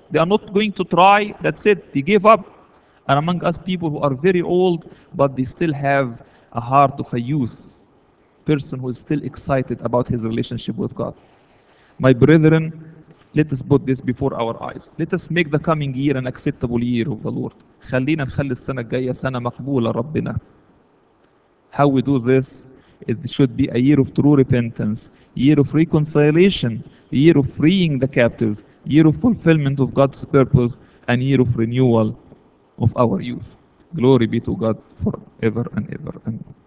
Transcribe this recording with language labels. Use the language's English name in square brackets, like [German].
[English] They are not going to try. That's it. They give up. And among us people who are very old, but they still have a heart of a youth. Person who is still excited about his relationship with God. My brethren, let us put this before our eyes. Let us make the coming year an acceptable year of the Lord. [Arabic] خلينا نخلي السنة الجاية سنة مقبولة ربنا. [English] How we do this? It should be a year of true repentance, year of reconciliation, year of freeing the captives, year of fulfillment of God's purpose, and year of renewal of our youth. Glory be to God forever and ever. Amen.